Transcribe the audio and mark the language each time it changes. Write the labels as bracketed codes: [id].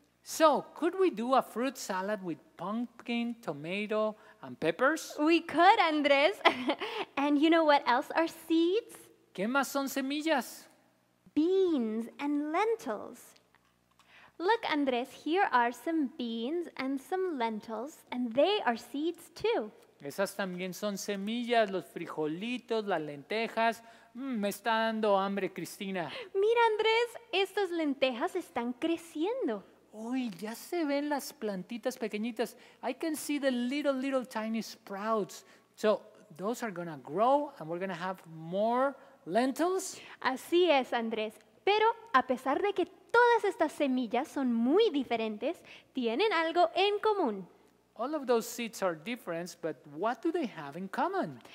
[en] So, could we do a fruit salad with pumpkin, tomato, and peppers? We could, Andrés. And you know what else are seeds? [es] ¿Qué más son semillas? [en] Beans and lentils. Look, Andrés, here are some beans and some lentils, and they are seeds too. [es] Esas también son semillas, los frijolitos, las lentejas. Me está dando hambre, Cristina. Mira, Andrés, estas lentejas están creciendo. Uy, ya se ven las plantitas pequeñitas. [en] I can see the little tiny sprouts. So, those are gonna grow and we're gonna have more lentils? [es] Así es, Andrés. Pero a pesar de que todas estas semillas son muy diferentes, tienen algo en común. [en] All of those seeds are different, but what do they have in common?